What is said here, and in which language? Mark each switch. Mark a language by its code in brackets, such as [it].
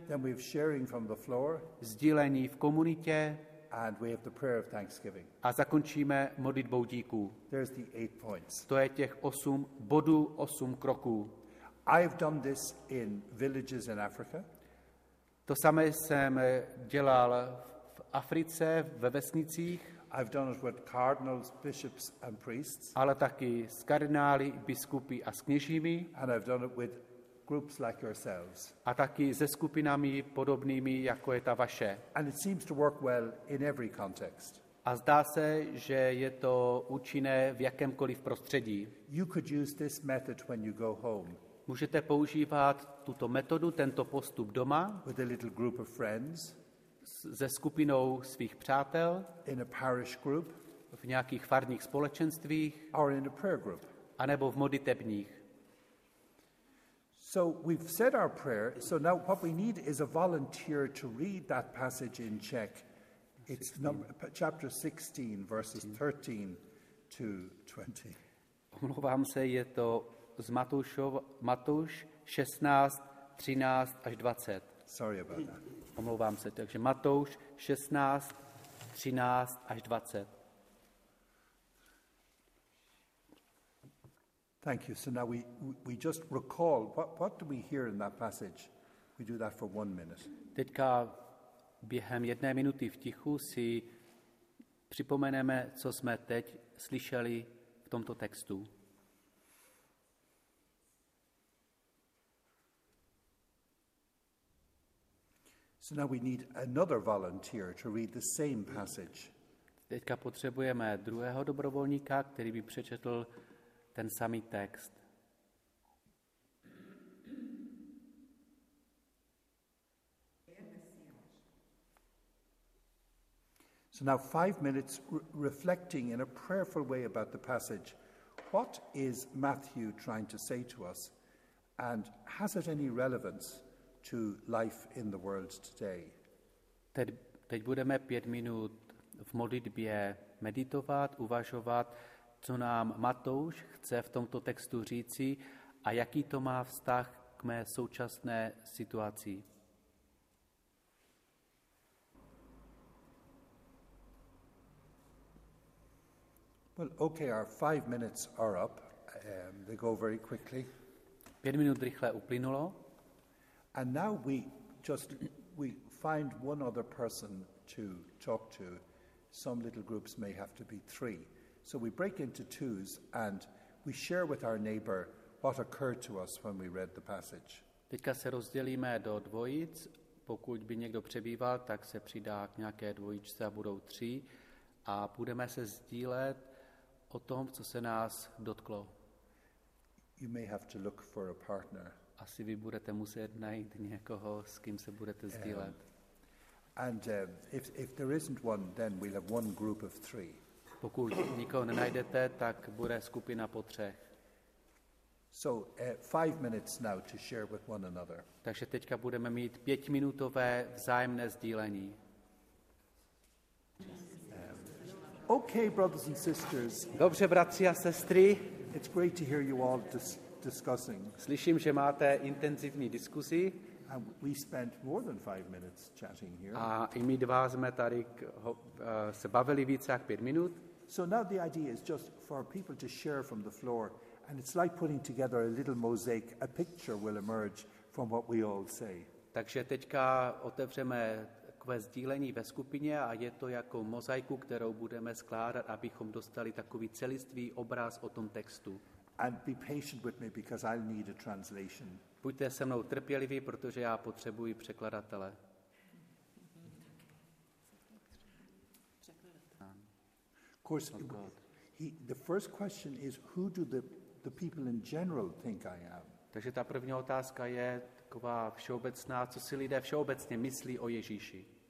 [en] Then we have sharing from the floor. [cs] Sdílení v komunitě. [en] And we have the prayer of thanksgiving. [cs] A zakončíme modlitbou díků. [en] There's the 8 points. [cs] To je těch 8 bodů, 8 kroků. [en] I've done this in villages in Africa. [cs] To samé jsem dělal v Africe, ve vesnicích. [en] I've done it with cardinals, bishops and priests. [cs] Ale taky s kardinály, biskupy a s kněžími. [en] And I've done it with groups like yourselves. [cs] A taky se skupinami podobnými, jako je ta vaše. [en] And it seems to work well in every context. [cs] A zdá se, že je to účinné v jakémkoliv prostředí. [en] You could use this method when you go home. [cs] Můžete používat tuto metodu, tento postup doma. [en] With a little group of friends. [cs] Se skupinou svých přátel. [en] In a parish group. [cs] V nějakých farních společenstvích. [en] Or in a prayer group. [cs] A nebo v modlitebních. [en] So we've said our prayer. So now what we need is a volunteer to read that passage in Czech. It's chapter 16, verses 13 to 20. [cs] Omlouvám se, je to z Matouš 16, 13 až 20. [en] Sorry about that. [cs] Omlouvám se, takže Matouš 16, 13 až 20. [en] Thank you. So now we just recall, what do we hear in that passage? We do that for 1 minute. [cs] Teďka během 1 minuty v tichu si připomeneme, co jsme teď slyšeli v tomto textu. [en] So now we need another volunteer to read the same passage. [cs] Teďka potřebujeme druhého dobrovolníka, který by přečetl ten samý text. [en] So now 5 minutes reflecting in a prayerful way about the passage. What is Matthew trying to say to us? And has it any relevance to life in the world today? [cs] Teď budeme 5 minut v modlitbě meditovat, uvažovat, co nám Matouš chce v tomto textu říci a jaký to má vztah k mé současné situaci. [en] Well, okay, our 5 minutes are up. They go very quickly. [cs] 5 minut rychle uplynulo. [en] And now we find one other person to talk to. Some little groups may have to be 3. So we break into twos and we share with our neighbor what occurred to us when we read the passage. [cs] Teďka se rozdělíme do dvojic. Pokud by někdo přebýval, tak se přidá k nějaké dvojičce a budou 3. A budeme se sdílet o tom, co se nás dotklo. [en] You may have to look for a partner. [cs] Asi vy budete muset najít někoho, s kým se budete sdílet. [en] And if there isn't one, then we'll have one group of 3. [cs] Pokud nikoho nenajdete, tak bude skupina po 3. [en] So 5 minutes now to share with one another. [cs] Takže teďka budeme mít 5minutové vzájemné sdílení. [en] Okay, brothers and sisters. [cs] Dobře, bratři a sestry. [en] It's great to hear you all discussing. [cs] Slyším, že máte intenzivní diskusi. [en] And we spent more than 5 minutes chatting here. [cs] A i my dva jsme tady se bavili více jak 5 minut. [en] So now the idea is just for people to share from the floor, and it's like putting together a little mosaic. A picture will emerge from what we all say. [cs] Takže teďka otevřeme ve sdílení ve skupině a je to jako mozaiku, kterou budeme skládat, abychom dostali takový celistvý obraz o tom textu. [en] And be patient with me because I'll need a translation. [cs] Buďte se mnou trpěliví, protože já potřebuji překladatele. [en] Of course, the first question is who do the people in general think I am? [cs] Takže ta první otázka je taková všeobecná, co si lidé všeobecně myslí o Ježíši.